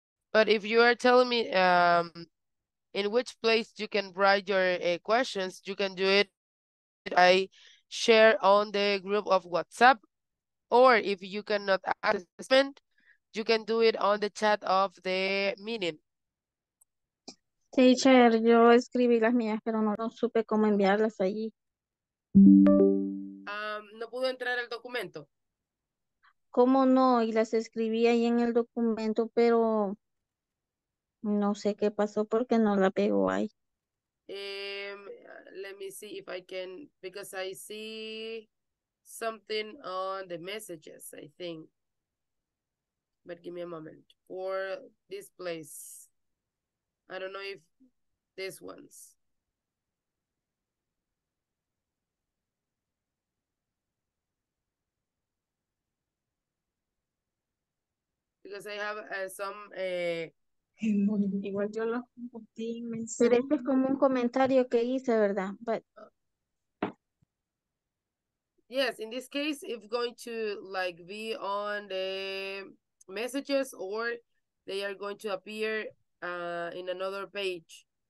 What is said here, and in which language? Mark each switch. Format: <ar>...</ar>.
<en>But if you are telling me in which place you can write your questions, you can do it. I share on the group of WhatsApp. Or if you cannot access it, you can do it on the chat of the meeting.</en> <es>Teacher, yo escribí las mías, pero no supe cómo enviarlas allí. No pudo entrar al documento. ¿Cómo no? Y las escribí ahí en el documento, pero no sé qué pasó porque no la pegó ahí.</es> <en>Let me see if I can, because I see something on the messages, I think. But give me a moment. Or this place. I don't know if this one's. Because I have some.</en> <es>Igual yo lo compartí. Pero este es como un comentario que hice, ¿verdad?</es> <en>But yes, in this case, it's going to like be on the messages, or they are going to appear in another page.</en>